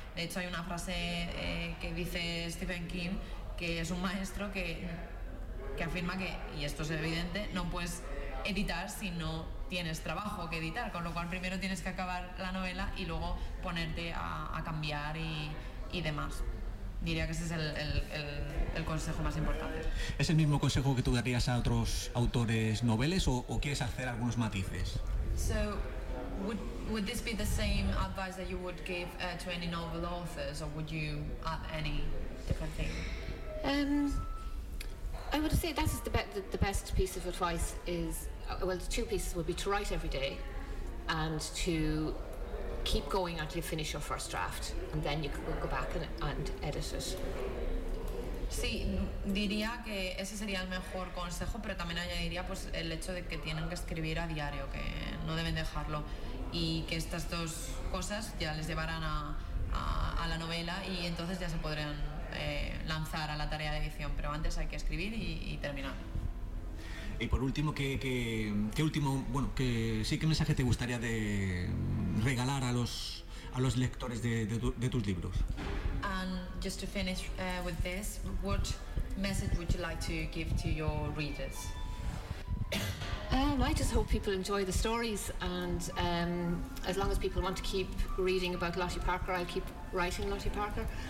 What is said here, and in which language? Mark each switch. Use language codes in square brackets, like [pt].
[es] De hecho, hay una frase que dice Stephen King, que es un maestro, que afirma que, y esto es evidente, no puedes editar si no tienes trabajo que editar, con lo cual primero tienes que acabar la novela y luego ponerte a cambiar y demás. Diría que ese es el consejo más importante. ¿Es el mismo consejo que tú darías a otros autores noveles o quieres hacer algunos matices? [en] So, would this be the same advice that you would give to any novel authors, or would you add any different thing? I would say that is the best piece of advice is, well, the two pieces would be to write every day and to keep going until you finish your first draft, and then you can go back and edit it. [es] Sí, diría que ese sería el mejor consejo, pero también añadiría pues el hecho de que tienen que escribir a diario, que no deben dejarlo, y que estas dos cosas ya les llevarán a la novela y entonces ya se podrán lanzar a la tarea de edición, pero antes hay que escribir y terminar. Y por último, ¿qué mensaje te gustaría de regalar a los lectores de tus libros? [en] And just to finish with this, what message would you like to give to your readers? I just hope people enjoy the stories, and as long as people want to keep reading about Lottie Parker, I'll keep writing Lottie Parker.